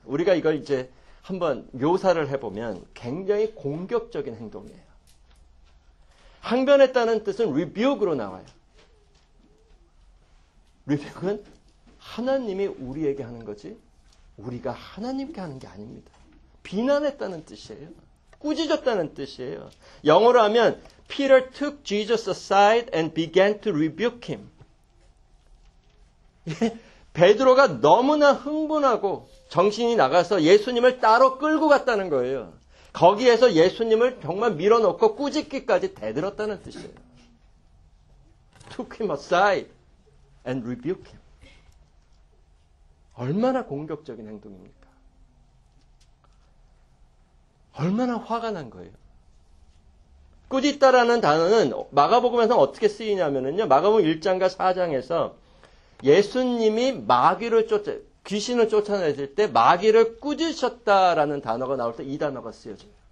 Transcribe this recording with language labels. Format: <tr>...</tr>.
<ko>우리가 이걸 이제 한번 묘사를 해보면 굉장히 공격적인 행동이에요. 항변했다는 뜻은 rebuke으로 나와요. rebuke은 하나님이 우리에게 하는 거지, 우리가 하나님께 하는 게 아닙니다. 비난했다는 뜻이에요. 꾸짖었다는 뜻이에요. 영어로 하면</ko> <en>Peter took Jesus aside and began to rebuke him.</en> <ko>베드로가 너무나 흥분하고 정신이 나가서 예수님을 따로 끌고 갔다는 거예요. 거기에서 예수님을 정말 밀어넣고 꾸짖기까지 대들었다는 뜻이에요.</ko> <en>Took him aside and rebuked him.</en> <ko>얼마나 공격적인 행동입니까? 얼마나 화가 난 거예요? 꾸짖다라는 단어는 마가복음에서 어떻게 쓰이냐면요. 마가복음 1장과 4장에서 예수님이 귀신을 쫓아내실 때 마귀를 꾸짖으셨다라는 단어가 나올 때이 단어가 쓰여져요.</ko>